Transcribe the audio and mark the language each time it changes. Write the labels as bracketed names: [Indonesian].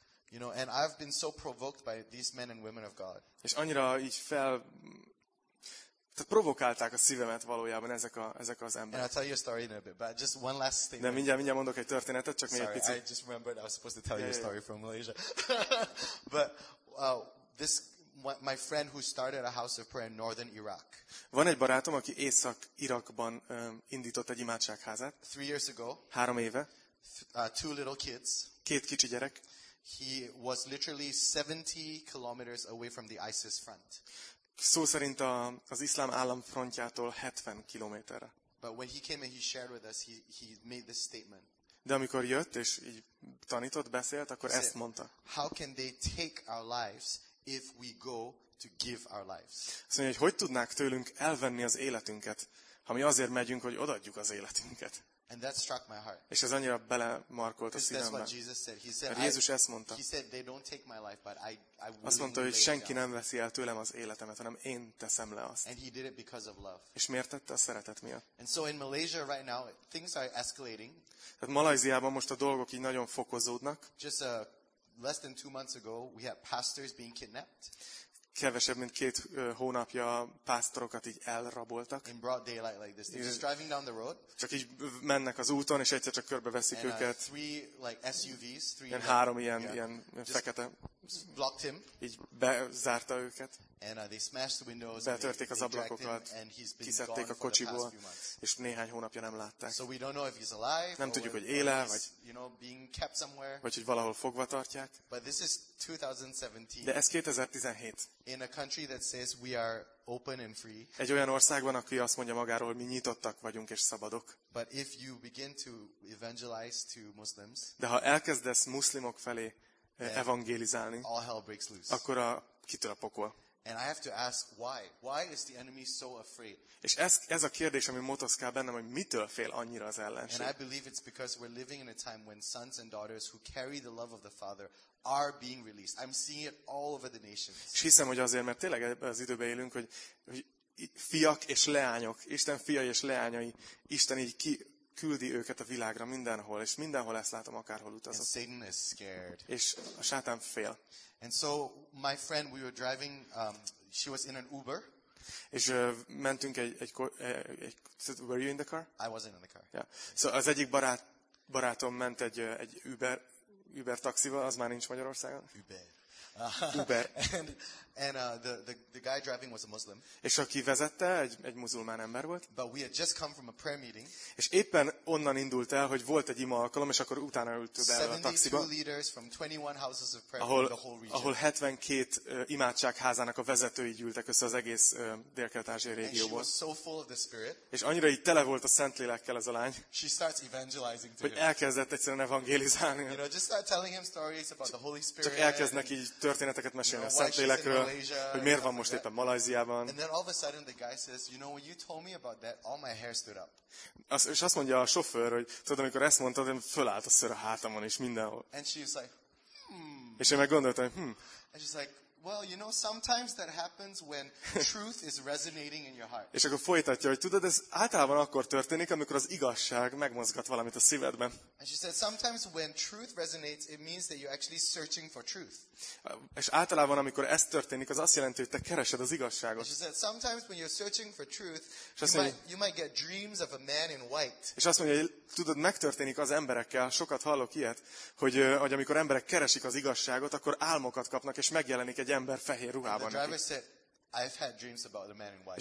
[English] You know, and I've been so provoked by these men and women of God. [Hungarian] És annyira így fel... Tehát provokálták a szívemet valójában ezek az emberek. [English] And I'll tell you a story in a bit, but just one last thing. [Hungarian] De mindjárt mondok egy történetet, csak még egy picit. [English] Sorry, I just remembered I was supposed to tell you a story from Malaysia. But my friend who started a house of prayer in northern Iraq. [Hungarian] Van egy barátom, aki Észak-Irakban indított egy imádságházat. [English] 3 years ago. [Hungarian] 3 éve. [English] Two little kids. [Hungarian] 2 kicsi gyerek. [English] He was literally 70 kilometers away from the ISIS front. [Hungarian] Szó szerint az iszlám állam frontjától 70 kilométerre. [English] But when he came and he shared with us, he made this statement. [Hungarian] De amikor jött és így tanított, beszélt, akkor ezt mondta. [English] How can they take our lives if we go to give our lives? [Hungarian] Azt mondja, hogy tudnák tőlünk elvenni az életünket, ha mi azért megyünk, hogy odaadjuk az életünket. [English] And that struck my heart. [Hungarian] És ez annyira belemarkolt a szívembe. [English] That's what Jesus said. He said, [Hungarian] Jézus ezt mondta. [English] He said they don't take my life, but I will. [Hungarian] Azt mondta, hogy senki nem veszi el tőlem az életemet, hanem én teszem le azt. [English] And he did it because of love. [Hungarian] És miért tette? A szeretet miatt. [English] And so in Malaysia right now, things are escalating. [Hungarian] Tehát Malajziában most a dolgok így nagyon fokozódnak. [English] Just less than 2 months ago, we had pastors being kidnapped. [Hungarian] Kevesebb mint 2 hónapja pásztorokat így elraboltak. [English] In broad daylight like this. They're just driving down the road. [Hungarian] Csak így mennek az úton, és egyszer csak körbeveszik [English] and [Hungarian] őket. [English] Three, like SUVs, three [Hungarian] ilyen három ilyen, yeah, ilyen fekete. [English] Blocked him. [Hungarian] Így bezárta őket. And they smashed the windows. Betörték az ablakokat. Kiszedték a kocsiból. És néhány hónapja nem látták. [English] So we don't know if he's alive. [Hungarian] Nem tudjuk, hogy éle, vagy, [English] you know, being kept somewhere. [Hungarian] Vagy hogy valahol fogva tartják. [English] But this is 2017. [Hungarian] De ez 2017. [English] In a country that says we are open and free. [Hungarian] Egy olyan országban, aki azt mondja magáról, hogy mi nyitottak vagyunk és szabadok. [English] But if you begin to evangelize to Muslims. [Hungarian] De ha elkezdesz muszlimok felé evangelizálni, [English] all hell breaks loose. [Hungarian] Akkor kitör a pokol. [English] And I have to ask why? Why is the enemy so afraid? [Hungarian] És ez a kérdés, ami motoszkál bennem, hogy mitől fél annyira az ellenség? [English] And I believe it's because we're living in a time when sons and daughters who carry the love of the Father are being released. I'm seeing it all over the nations. [Hungarian] És hiszem, hogy azért, mert tényleg ebben az időben élünk, hogy fiak és leányok, Isten fiai és leányai, Isten így ki küldi őket a világra mindenhol, és mindenhol ezt látom, akárhol utazok. [English] And Satan is scared. [Hungarian] És a sátán fél. [English] And so my friend, we were driving, she was in an Uber. [Hungarian] És mentünk [English] were you in the car? I wasn't in the car. Yeah. [Hungarian] So az egyik barátom ment egy Uber taxival, az már nincs Magyarországon. [English] Uber. And the guy driving was a Muslim. [Hungarian] És aki vezette, egy muzulmán ember volt. [English] But we had just come from a prayer meeting. [Hungarian] És éppen onnan indult el, hogy volt egy ima alkalom, és akkor utána ültünk el a taxiba. [English] 72 leaders from 21 houses of prayer [Hungarian] ahol, [English] in the whole region. [Hungarian] Ahol 72 imádságházának a vezetői gyűltek össze az egész Dél-Kelet-Ázsiai régióból. [English] And she was so full of the Spirit. [Hungarian] És annyira így tele volt a Szentlélekkel ez a lány. [English] She starts evangelizing to [Hungarian] hogy [English] him. [Hungarian] Elkezdett egyszerűen evangelizálni. [English] You know, just start telling him stories about the Holy Spirit. [Hungarian] Csak elkezd neki így történeteket mesélni, [English] you know, [Hungarian] a Szentlélekről. [English] Malaysia, [Hungarian] hogy miért van most éppen Malajziában. [English] And then all of a sudden the guy says, you know, when you told me about that, all my hair stood up. [Hungarian] És azt mondja a sofőr, hogy tudod, amikor ezt mondtad, én fölállt a ször a hátamon és mindenhol. [English] And she was like, [Hungarian] És én meg gondoltam, [English] And she's like, well, you know, sometimes that happens when truth is resonating in your heart. [Hungarian] És akkor folytatja, hogy tudod, ez általában akkor történik, amikor az igazság megmozgat valamit a szívedben. [English] And she said, sometimes when truth resonates, it means that you're actually searching for truth. [Hungarian] És általában, amikor ez történik, az azt jelenti, hogy te keresed az igazságot. [English] And she said, sometimes when you're searching for truth, you might get dreams of a man in white. [Hungarian] És azt mondja, hogy tudod, megtörténik az emberekkel, sokat hallok ilyet, hogy amikor emberek keresik az igazságot, akkor álmokat kapnak, és megjelenik egy ember fehér ruhában. [English] And the driver said, I've had dreams about a man in white.